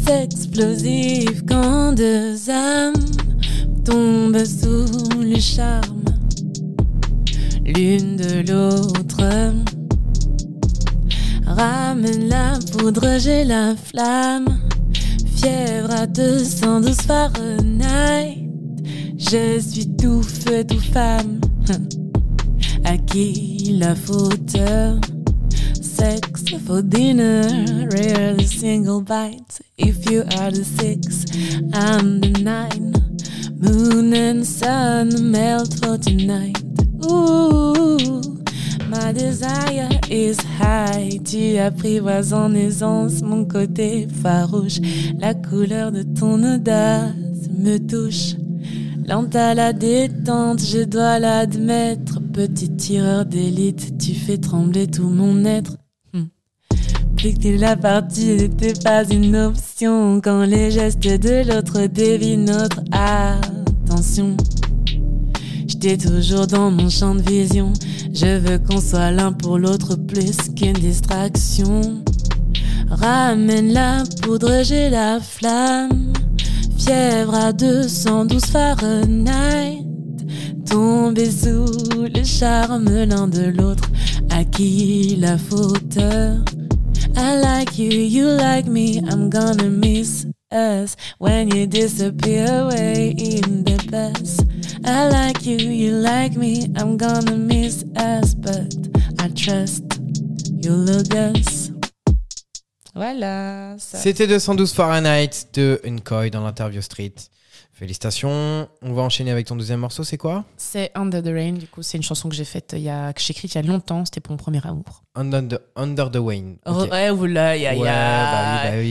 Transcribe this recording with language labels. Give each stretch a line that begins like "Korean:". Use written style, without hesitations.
French: Explosif quand deux âmes tombent sous le charme l'une de l'autre. Ramène la poudre, j'ai la flamme. Fièvre à 212 Fahrenheit. Je suis tout feu, tout femme. À qui la faute?
English: Sex for dinner, rare the single bite. If you are the six, I'm the nine. Moon and sun melt for tonight. Ooh, my desire is high.
French: Tu apprivoises en aisance mon côté farouche. La couleur de ton audace me touche. Lente à la détente, je dois l'admettre. Petit tireur d'élite, tu fais trembler tout mon être. Plus que la partie n'était pas une option. Quand les gestes de l'autre dévient notre attention. J'étais toujours dans mon champ de vision. Je veux qu'on soit l'un pour l'autre plus qu'une distraction. Ramène la poudre, j'ai la flamme. Fièvre à 212 Fahrenheit. Tombés sous le charme l'un de l'autre. À qui la faute?
English: I like you, you like me, I'm gonna miss us when you disappear away in the bus. I like you, you like me, I'm gonna miss us, but I trust you look us.
French: Voilà. Ça. C'était 212 Fahrenheit de Nkoy dans l'interview street. Félicitations. On va enchaîner avec ton deuxième morceau, c'est quoi ? C'est Under the Rain, du coup, c'est une chanson que j'ai faite, que j'ai écrite il y a longtemps, c'était pour mon premier amour. Under the Rain. Okay. Ouais, oula, ya. Bah oui,